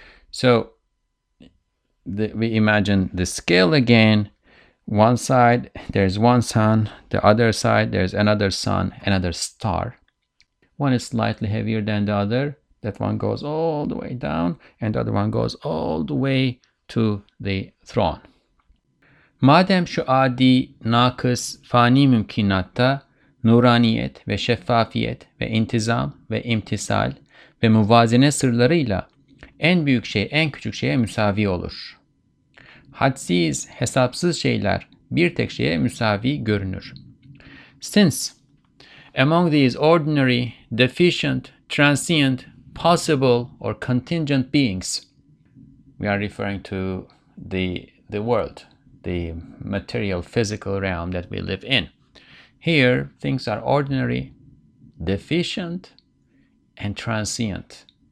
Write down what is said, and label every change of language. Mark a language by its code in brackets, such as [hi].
[en] So we imagine the scale again. One side, there's one sun. The other side, there's another sun, another star. One is slightly heavier than the other. That one goes all the way down, and the other one goes all the way to the throne. [tr] Madem şu adi nakıs fani mümkünatta nuraniyet ve şeffafiyet ve intizam ve imtisal ve muvazene sırlarıyla en büyük şey en küçük şeye müsavi olur. Hadsiz, hesapsız şeyler bir tek şeye müsavi görünür. [en] Since among these ordinary, deficient, transient, possible or contingent beings, we are referring to the world, the material physical realm that we live in. Here, things are ordinary, deficient, and transient.